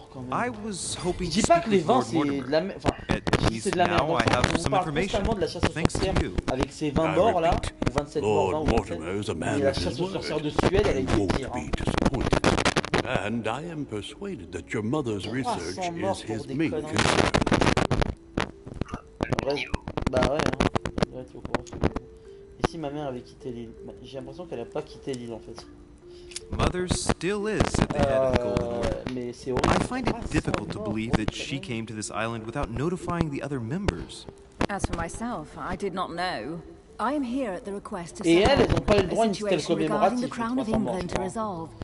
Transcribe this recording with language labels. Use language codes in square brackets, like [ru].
[en] I was hoping to speak with Lord Mortimer. Enfin, at least now I have some information. Thanks to you. [fr] Avec ses 20 morts là, ou 27 morts, ou 27, et la chasse aux sorcières de Suède, elle est pire. [en] Be disappointed. And I am persuaded that your mother's research is his main concern. [fr] Bah ouais. Hein. Ici, ma mère avait quitté l'île. J'ai l'impression qu'elle a pas quitté l'île en fait. [en] Mother still is at the head of the Golden Order. I find it difficult to believe that she came to this island without notifying the other members. As for myself, I did not know. I am here at the request to celebrate the crown of England to resolve.